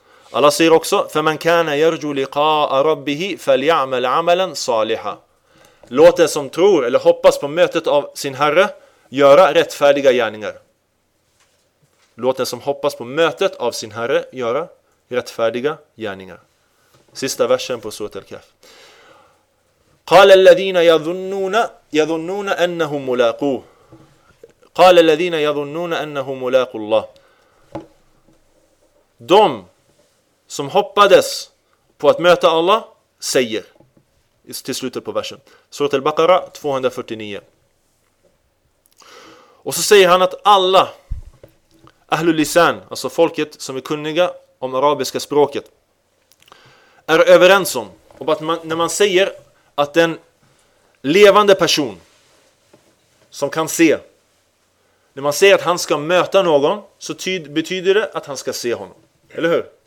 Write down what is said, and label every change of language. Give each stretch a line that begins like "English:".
Swedish: Allah säger också:
Arabic: "Faman kana yarju liqa'a rabbihi faly'amal 'amalan salihan."
Swedish: Låt den som tror eller hoppas på mötet av sin Herre göra rättfärdiga gärningar. Låt den som hoppas på mötet av sin Herre göra rättfärdiga gärningar. Sista versen på surat al-Kahf.
Arabic: قال الذين يظنون انهم ملاقوه قال الذين يظنون انهم ملاقوا الله.
Swedish: De som hoppades på att möta Allah säger till slutet på versen, surat al-Baqara 249. Och så säger han att alla ahlul lisan, alltså folket som är kunniga om arabiska språket, är överens om att man, när man säger att en levande person som kan se, när man säger att han ska möta någon, så betyder det att han ska se honom. Eller hur?